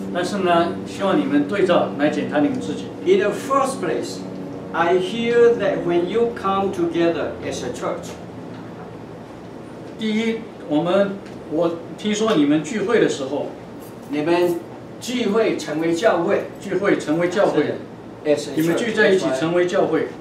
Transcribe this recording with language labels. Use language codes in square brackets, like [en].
[zh] 但是呢，希望你们对照来检查你们自己。 [en] In the first place, I hear that when you come together as a church. [zh] 第一，我听说你们聚会的时候，你们聚会成为教会，聚会成为教会，你们聚在一起成为教会。